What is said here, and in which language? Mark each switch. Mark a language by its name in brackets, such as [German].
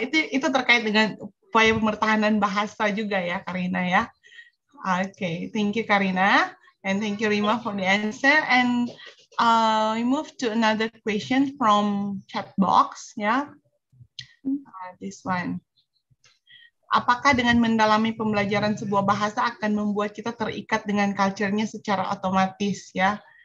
[Indonesian] Itu terkait dengan upaya pemertahanan bahasa juga ya, Karina ya. [English] Okay, thank you, Karina, and thank you, Rima, for the answer. And we move to another question from chat box, ya. This one. [Indonesian] Apakah dengan mendalami pembelajaran sebuah bahasa akan membuat kita terikat dengan culture-nya secara otomatis, ya?